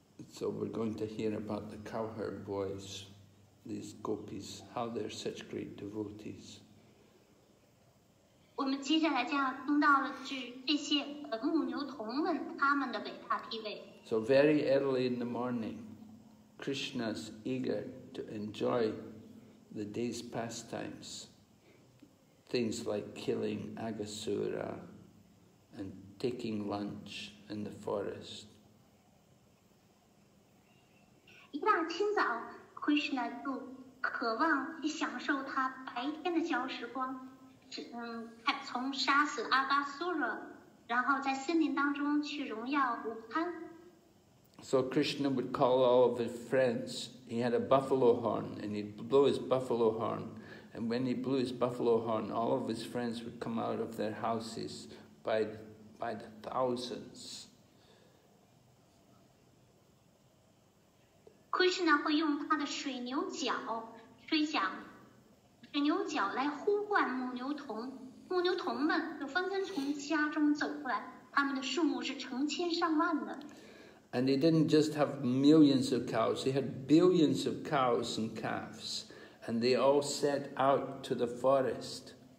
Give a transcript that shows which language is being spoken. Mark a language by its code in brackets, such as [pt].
[en] So we're going to hear about the cowherd boys these gopis, how they're such great devotees. [zh] 我们接下来将要听到的是这些牧牛童们他们的伟大地位。 [en] So very early in the morning, Krishna's eager to enjoy the day's pastimes, things like killing Agasura and taking lunch in the forest. [zh] 一大清早 ，Krishna 就渴望去享受他白天的小时光，从杀死阿巴苏惹，然后在森林当中去荣耀午餐。 [en] So Krishna would call all of his friends. He had a buffalo horn, and he'd blow his buffalo horn. And when he blew his buffalo horn, all of his friends would come out of their houses by the thousands. [zh] Krishna 会用他的水牛角来呼唤母牛童，母牛童们就纷纷从家中走过来，他们的数目是成千上万的。 [en] And he didn't just have millions of cows, he had billions of cows and calves, and they all set out to the forest.